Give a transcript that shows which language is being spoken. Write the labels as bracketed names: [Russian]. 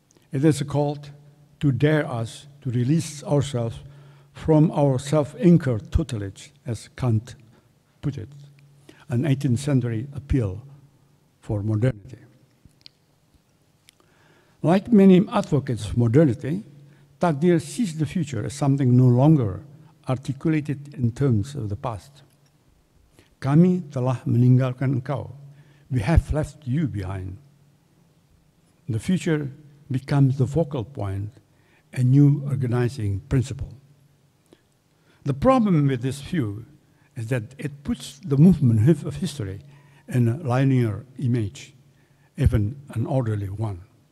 [English] It is a call to dare us to release ourselves from our self-incurred tutelage, as Kant put it, an 18th century appeal for modernity. Like many advocates of modernity, Takdir sees the future as something no longer articulated in terms of the past. [Indonesian] Kami telah meninggalkan engkau. [English] We have left you behind. The future becomes the focal point, a new organizing principle. The problem with this view is that it puts the movement of history in a linear image, even an orderly one.